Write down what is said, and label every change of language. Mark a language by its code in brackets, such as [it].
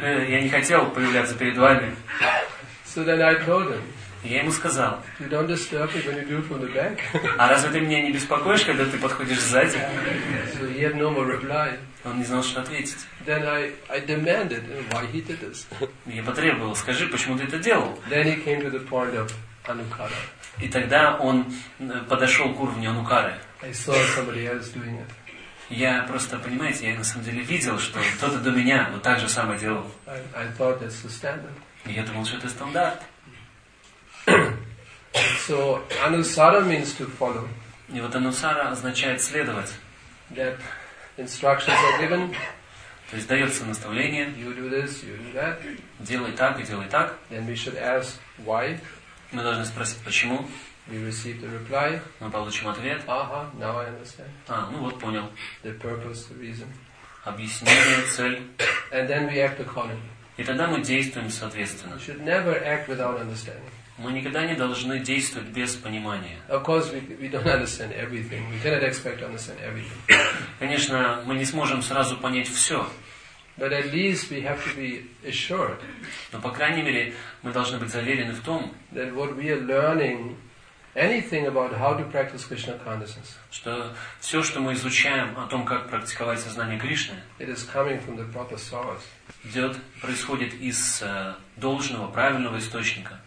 [ru] Я не хотел появляться перед вами. [en] So then I told him, [ru] я ему сказал, [en] you don't disturb me when you do it from the back. [ru] А разве ты меня не беспокоишь, когда ты подходишь сзади? [en] So he had no more reply. [ru] Он не знал, что ответить. [en] Then I demanded why he did this. [ru] Я потребовал, скажи, почему ты это делал? [en] Then he came to the point of anukara. [ru] И тогда он подошел к уровню анукары. [en] I saw somebody else doing it. [ru] Я просто, понимаете, я на самом деле видел, что кто-то до меня вот так же самое делал. [en] I thought that's the standard. [ru] И я думал, что это стандарт. [en] So anusara means to follow. [ru] И вот анусара означает следовать. [en] That instructions are given. [ru] То есть дается наставление. [en] You do this, you do that. [ru] Делай так и делай так. [en] Then we should ask why. [ru] Мы должны спросить, почему. [en] We receive the reply. [ru] Мы получим ответ. [en] Ага, now I understand. [ru] А, ну вот понял. [en] The purpose, the reason. [ru] Объяснение, цель. [en] And then we act accordingly. [ru] И тогда мы действуем соответственно. [en] We should never act without understanding. [ru] Мы никогда не должны действовать без понимания. [en] Of course, we don't understand everything. We cannot expect to understand everything. [ru] Конечно, мы не сможем сразу понять все. [en] But at least we have to be assured. [ru] Но по крайней мере мы должны быть заверены в том, [en] that what we are learning. Anything about how to practice Krishna consciousness? [ru] Что все, что мы изучаем о том, как практиковать сознание Кришны, [en] it is coming from the proper source. [ru] Идет, происходит из должного, правильного источника.